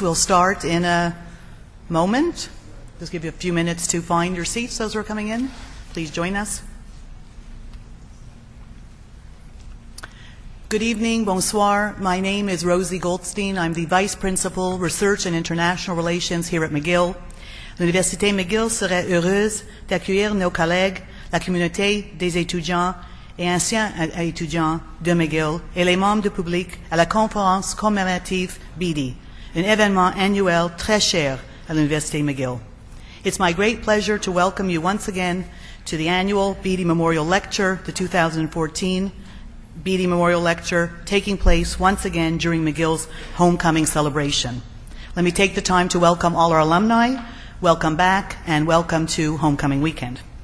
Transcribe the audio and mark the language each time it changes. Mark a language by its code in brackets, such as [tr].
[en] We'll start in a moment. Just give you a few minutes to find your seats, those who are coming in. Please join us. Good evening, bonsoir. My name is Rosie Goldstein. I'm the Vice Principal, Research and International Relations here at McGill. [fr] L'Université McGill serait heureuse d'accueillir nos collègues, la communauté des étudiants et anciens étudiants de McGill et les membres du public à la conférence commémorative BD, un événement annuel très cher à l'Université McGill. [en] It's my great pleasure to welcome you once again to the annual BD Memorial Lecture, the 2014 BD Memorial Lecture, taking place once again during McGill's homecoming celebration. Let me take the time to welcome all our alumni, welcome back, and welcome to homecoming weekend.